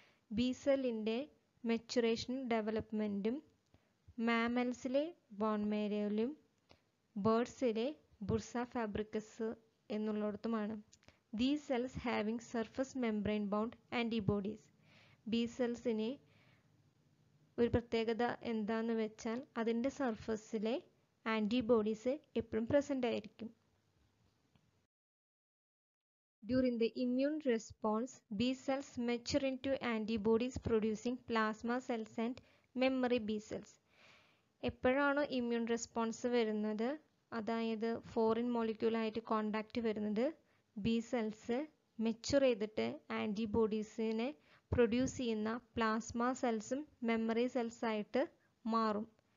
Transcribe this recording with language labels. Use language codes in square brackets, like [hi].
[ml] B സെല്ലിൻ്റെ മെച്ചുറേഷനും ഡെവലപ്മെൻറ്റും മാമൽസിലെ bone മേരയിലും ബേർഡ്സിലെ ബുർസ ഫാബ്രിക്കസ് എന്നുള്ളിടത്തുമാണ്. [en] These cells having surface membrane bound antibodies. [ml] B സെൽസിന് ഒരു പ്രത്യേകത എന്താണെന്ന് വെച്ചാൽ അതിൻ്റെ സർഫസിലെ ആൻറ്റിബോഡീസ് എപ്പോഴും പ്രസൻ്റ് ആയിരിക്കും. [en] During the immune response, B cells mature into antibodies producing plasma cells and memory B cells. [ml] എപ്പോഴാണോ ഇമ്മ്യൂൺ റെസ്പോൺസ് വരുന്നത്, അതായത് ഫോറിൻ മോളിക്യൂളായിട്ട് കോണ്ടാക്ട് വരുന്നത്, ബി സെൽസ് മെച്ചുർ ചെയ്തിട്ട് ആൻറ്റിബോഡീസിനെ പ്രൊഡ്യൂസ് ചെയ്യുന്ന പ്ലാസ്മ സെൽസും മെമ്മറി സെൽസായിട്ട് മാറും.